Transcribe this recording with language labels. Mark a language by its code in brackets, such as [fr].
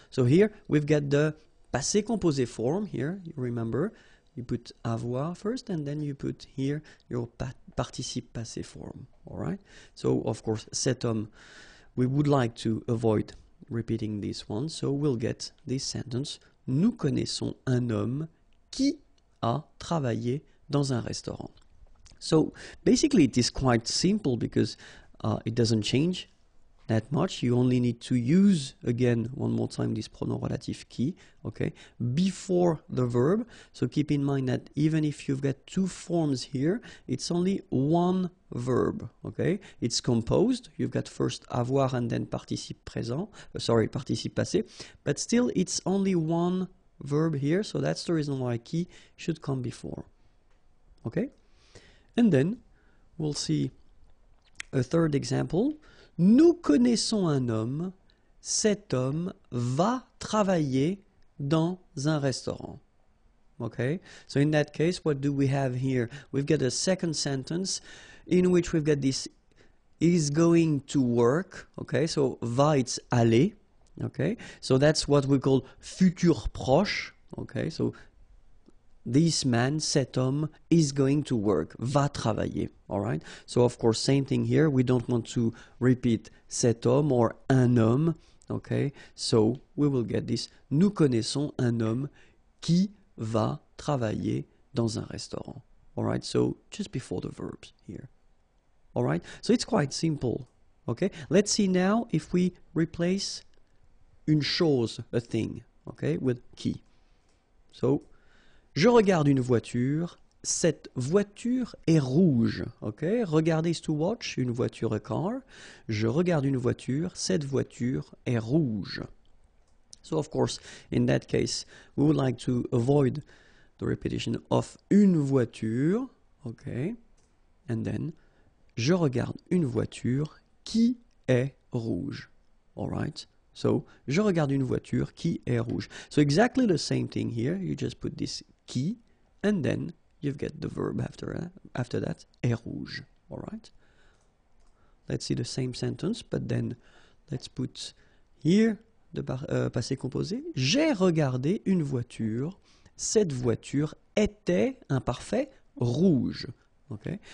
[en] So here we've got the passé composé form here. You remember, you put avoir first and then you put here your participe passé form. All right? So of course, [fr] cet homme, [en] we would like to avoid repeating this one. So we'll get this sentence. [fr] Nous connaissons un homme qui a travaillé dans un restaurant. [en] So basically it is quite simple because it doesn't change that much. You only need to use again one more time this pronom relatif qui, okay, before the verb. So keep in mind that even if you've got two forms here, it's only one verb, okay? It's composed. You've got first avoir and then participe présent, participe passé, but still it's only one verb here, so that's the reason why qui should come before. Okay? And then we'll see a third example. [fr] Nous connaissons un homme, cet homme va travailler dans un restaurant. [en] Okay, so in that case, what do we have here? We've got a second sentence in which we've got this is going to work. Okay, so va, it's aller. Okay, so that's what we call futur proche. Okay, so this man, cet homme, is going to work, [fr] va travailler, [en] all right? So, of course, same thing here. We don't want to repeat cet homme or un homme, okay? So, we will get this. [fr] Nous connaissons un homme qui va travailler dans un restaurant, [en] all right? So, just before the verbs here, all right? So, it's quite simple, okay? Let's see now if we replace une chose, a thing, okay, with qui. [fr] So, je regarde une voiture, cette voiture est rouge. [en] Okay, regarder is to watch, [fr] une voiture, [en] a car. [fr] Je regarde une voiture, cette voiture est rouge. [en] So of course, in that case, we would like to avoid the repetition of une voiture. Okay, and then, [fr] je regarde une voiture qui est rouge. All right. So, je regarde une voiture qui est rouge. [en] So, exactly the same thing here. You just put this qui, and then you've got the verb after that, [fr] est rouge. [en] All right? Let's see the same sentence, but then let's put here the passé composé. [fr] J'ai regardé une voiture. Cette voiture était imparfait rouge. Okay?